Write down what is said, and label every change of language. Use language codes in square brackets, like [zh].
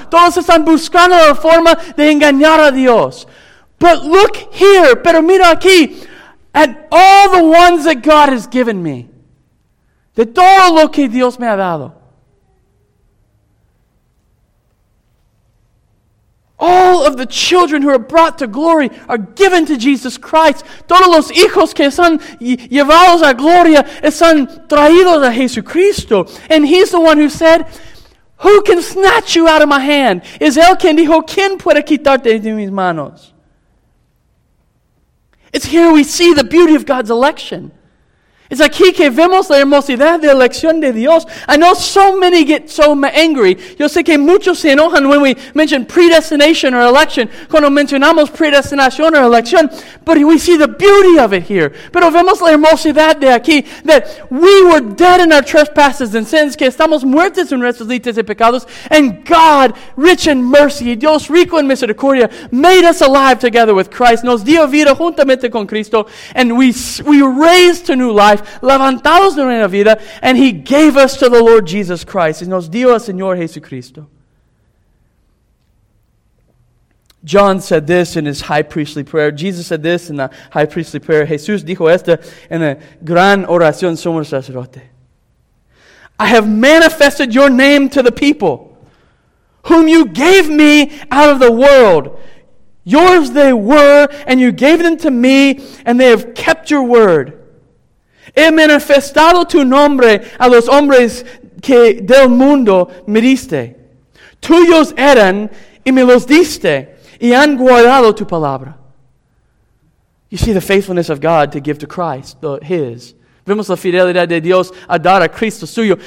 [es] Todos están buscando la forma de engañar a Dios. [en] But look here, [es] pero mira aquí, [en] at all the ones that God has given me. [es] De todo lo que Dios me ha dado. [en] All of the children who are brought to glory are given to Jesus Christ. [es] Todos los hijos que son llevados a gloria son traídos a Jesucristo. [en] And he's the one who said, who can snatch you out of my hand? [es] Es él quien dijo, ¿quién puede quitarte de mis manos? [en] It's here we see the beauty of God's election. [es] Es aquí que vemos la hermosidad de elección de Dios. [en] I know so many get so angry. [es] Yo sé que muchos se enojan [en] when we mention predestination or election. [es] Cuando mencionamos predestinación [en] or election. But we see the beauty of it here. [es] Pero vemos la hermosidad de aquí. [en] That we were dead in our trespasses and sins. [es] Que estamos muertos en nuestros delitos y pecados. [en] And God, rich in mercy, [es] Dios rico en misericordia, [en] made us alive together with Christ. [es] Nos dio vida juntamente con Cristo. [en] And we raised to new life. [es] Levantados de nueva vida, [en] and he gave us to the Lord Jesus Christ. [es] Y nos dio al Señor Jesucristo. [en] John said this in his high priestly prayer. Jesus said this in the high priestly prayer. [es] Jesús dijo esto en la gran oración sumo sacerdote. [en] I have manifested your name to the people whom you gave me out of the world. Yours they were, and you gave them to me, and they have kept your word. [es] He manifestado tu nombre a los hombres que del mundo me diste. Tuyos eran y me los diste y han guardado tu palabra. [en] You see the faithfulness of God to give to Christ, his. [es] Vemos la fidelidad de Dios a dar a Cristo suyo.